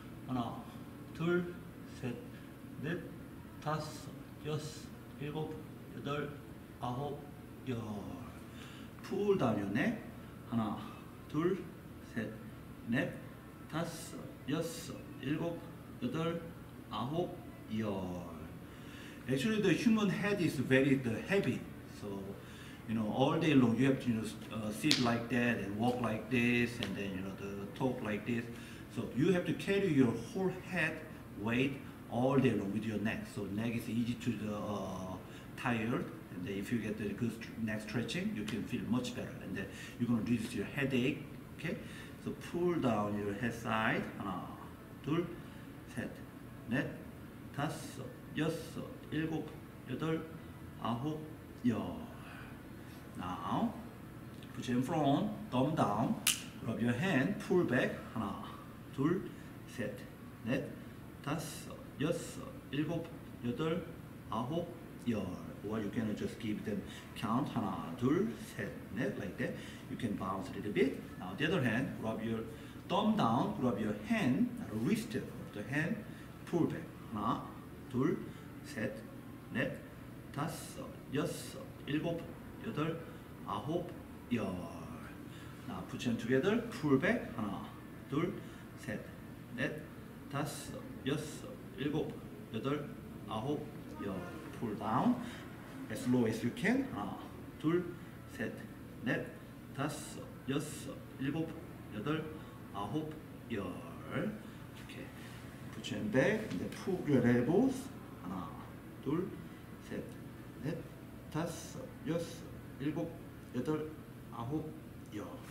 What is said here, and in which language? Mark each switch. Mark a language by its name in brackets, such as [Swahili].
[Korean] 하나, 둘, 셋, 넷, 다섯, 여섯, 일곱, 여덟, 아홉, 열. [English] Pull down your neck. [Korean] 하나, 둘, 셋, 넷, 다섯, 여섯, 일곱, 여덟, 아홉, 열. [English] Actually, the human head is very heavy, so. You know, all day long you have to, you know, sit like that and walk like this and then, you know, the talk like this. So you have to carry your whole head weight all day long with your neck. So neck is easy to the tired, and then if you get the good neck stretching, you can feel much better, and then you're gonna reduce your headache. Okay, so pull down your head side. [Korean] 하나, 둘, 셋, 넷, 다섯, 여섯, 일곱, 여덟, 아홉, 열. [English] Now, put your hand front, thumb down, grab your hand, pull back. [Korean] 하나, 둘, 셋, 넷, 다섯, 여섯, 일곱, 여덟, 아홉, 열. [English] Or you can just give them count. [Korean] 하나, 둘, 셋, 넷, [English] like that. You can bounce a little bit. Now, the other hand, grab your thumb down, grab your hand, not a wrist of the hand, pull back. [Korean] 하나, 둘, 셋, 넷, 다섯, 여섯, 일곱, 여덟, 아홉, 열. [English] Now put your hands together, pull back. [Korean] 하나, 둘, 셋, 넷, 다섯, 여섯, 일곱, 여덟, 아홉, 열. [English] Pull down as low as you can. [Korean] 하나, 둘, 셋, 넷, 다섯, 여섯, 일곱, 여덟, 아홉, 열. [English] Okay. Put your hands back and then pull your elbows. [Korean] 하나, 둘, 셋, 넷, 다섯, 여섯, 일곱, 여덟, 아홉, 열.